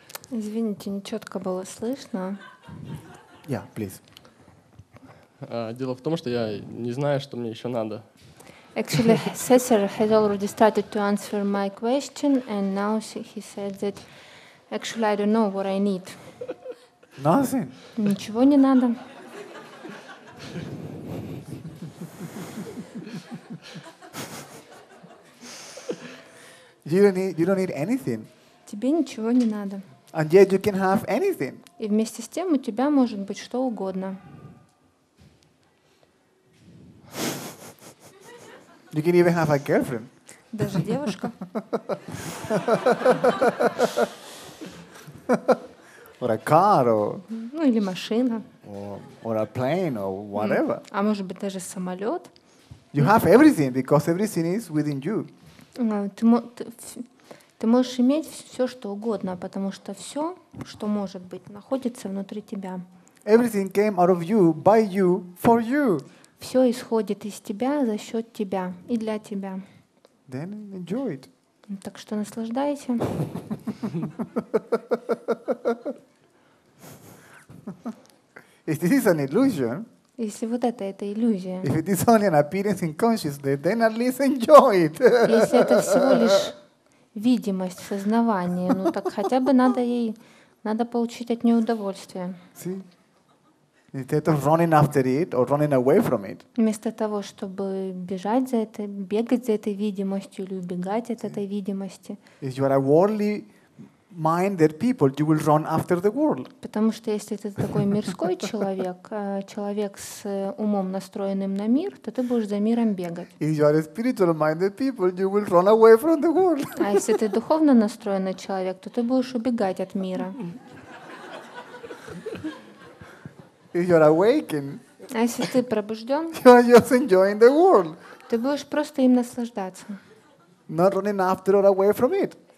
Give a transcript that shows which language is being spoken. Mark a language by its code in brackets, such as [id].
[ru] Извините, нечетко было слышно. [en] Yeah, please. [ru] Дело в том, что я не знаю, что мне еще надо. [en] Actually, Cesar has already started to answer my question, and now he said that actually I don't know what I need. Nothing. [ru] Ничего не надо. [en] You don't need anything. [ru] Тебе ничего не надо. [en] And yet you can have anything. [ru] И вместе с тем у тебя может быть что угодно. [en] You can even have a girlfriend. [ru] Даже девушка. [en] Or a car, or... [ru] Ну или машина. [en] Or a plane or whatever. [ru] А может быть даже самолет. [en] You have everything because everything is within you. [ru] Ты можешь. Ты можешь иметь все, что угодно, потому что все, что может быть, находится внутри тебя. [en] Everything came out of you, by you, for you. [ru] Все исходит из тебя, за счет тебя и для тебя. [en] Then enjoy it. [ru] Так что наслаждайся. [en] If this is an illusion, [ru] если вот это иллюзия, [en] if it is only an appearance in consciousness, then at least enjoy it. [ru] Если это всего лишь видимость, сознание, ну так хотя бы надо ей, надо получить от нее удовольствие. [en] See? Instead of running after it or running away from it. [ru] Вместо того, чтобы бежать за это, бегать за этой видимостью или убегать от этой видимости. [en] If you are a worldly minded people, you will run after the world. [ru] Потому что если ты такой мирской человек, человек с умом настроенным на мир, то ты будешь за миром бегать. [en] If you are a spiritual minded people, you will run away from the world. [ru] А если ты духовно настроенный человек, то ты будешь убегать от мира. [en] If you are awakened, [ru] а если ты пробужден, [en] you are just enjoying the world. [ru] Ты будешь просто им наслаждаться. [en] Not running after or away from it.